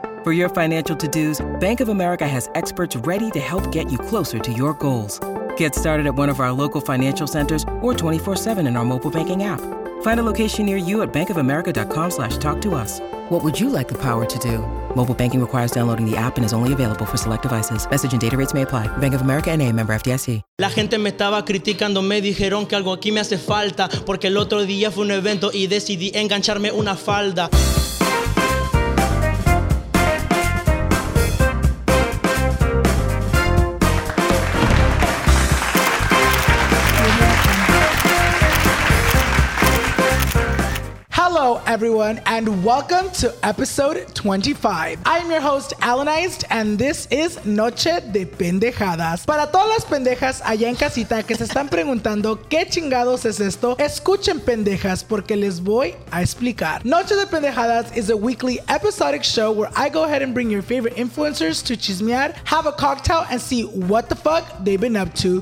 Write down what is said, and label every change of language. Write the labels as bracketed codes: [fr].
[en] For your financial to-dos, Bank of America has experts ready to help get you closer to your goals. Get started at one of our local financial centers or 24-7 in our mobile banking app. Find a location near you at bankofamerica.com/talktous. What would you like the power to do? Mobile banking requires downloading the app and is only available for select devices. Message and data rates may apply. Bank of America NA, member FDIC. [es] La gente me estaba criticando, me dijeron que algo aquí me hace falta, porque el otro día fue un evento y decidí engancharme una falda. [en] Everyone, and welcome to episode 25. I am your host, Alanized, and this is Noche de Pendejadas. [es] Para todas las pendejas allá en casita que se están preguntando qué chingados es esto, escuchen pendejas porque les voy a explicar. [en] Noche de Pendejadas is a weekly episodic show where I go ahead and bring your favorite influencers to chismear, have a cocktail, and see what the fuck they've been up to.